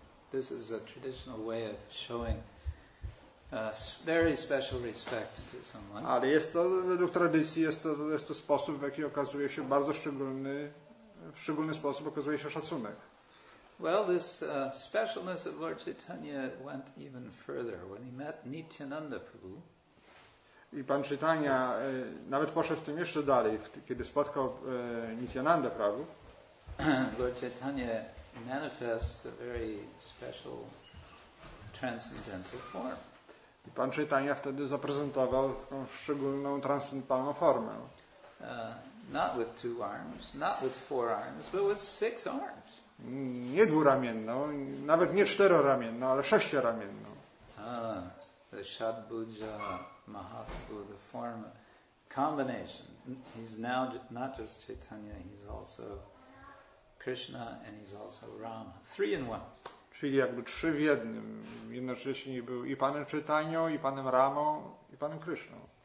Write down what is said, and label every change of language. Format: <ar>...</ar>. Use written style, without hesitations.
<en>This is a traditional way of showing very special respect to someone.</en> <pl>Ale jest to według tradycji jest to sposób, w jaki okazuje się bardzo szczególny sposób okazuje się szacunek.</pl> <en>Well, this specialness of Lord Chaitanya went even further when he met Nityananda Prabhu.</en> <pl>I pan Chaitanya nawet poszedł w tym jeszcze dalej, kiedy spotkał Nityananda Prabhu.</pl> <en>Lord Chaitanya manifests a very special transcendental form.</en> <pl>I pan Chaitanya wtedy zaprezentował taką szczególną transcendentalną formę.</pl> <en>not with two arms, not with four arms, but with six arms.</en> <pl>Nie dwuramienną, nawet nie czteroramienną, ale sześcioramienną.</pl> <en>Ah, the Shadbhuja Mahaprabhu, the form combination. He's now not just Chaitanya, he's also Krishna and he's also Rama. Three in one.</en> <pl>Czyli jakby trzy w jednym. Jednocześnie był i Panem Chaitanya, i Panem Ramą, i Panem Krishna.</pl>